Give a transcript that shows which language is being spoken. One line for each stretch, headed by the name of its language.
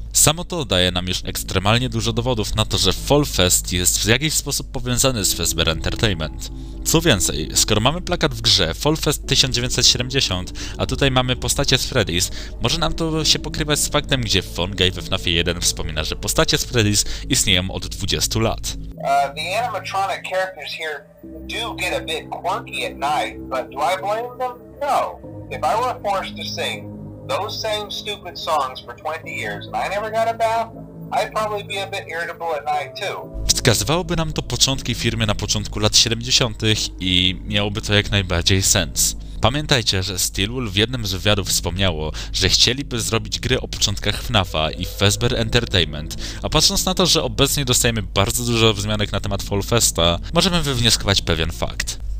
Polish: Samo to daje nam już ekstremalnie dużo dowodów na to, że Fallfest jest w jakiś sposób powiązany z Fazbear Entertainment. Co więcej, skoro mamy plakat w grze Fallfest 1970, a tutaj mamy postacie z Freddy's, może nam to się pokrywać z faktem, gdzie Fongai we FNAF 1 wspomina, że postacie z Freddy's istnieją od 20 lat.
English: The animatronic characters here do get a bit quirky at night, but do I blame them? No. If I were forced to sing those same stupid songs for 20 years and I never got a bath, I'd probably be a bit irritable at night too.
Polish: Wskazywałoby nam to początki firmy na początku lat 70. i miałoby to jak najbardziej sens. Pamiętajcie, że Steelwolf w jednym z wywiadów wspomniało, że chcieliby zrobić gry o początkach FNAF-a i Fazbear Entertainment, a patrząc na to, że obecnie dostajemy bardzo dużo wzmianek na temat Fallfesta, możemy wywnioskować pewien fakt.